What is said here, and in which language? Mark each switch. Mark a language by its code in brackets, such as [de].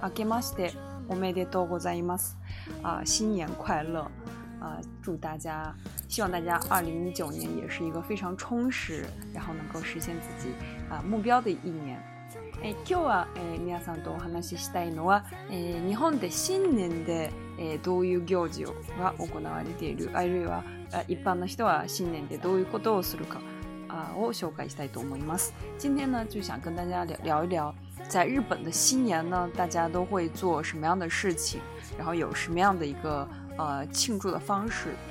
[ja] あけましておめでとうございます。 [zh] 新年快乐！祝大家，希望大家2019年也是一个非常充实，然后能够实现自己目标的一年。 [ja] 今日は皆さんとお話ししたいのは、日本で新年で、どういう行事が行われている、あるいは一般の人は新年でどういうことをするかを紹介したいと思います。 [zh] 今天呢就想跟大家聊一聊，在日本的新年呢，大家都会做什么样的事情，然后有什么样的一个庆祝的方式。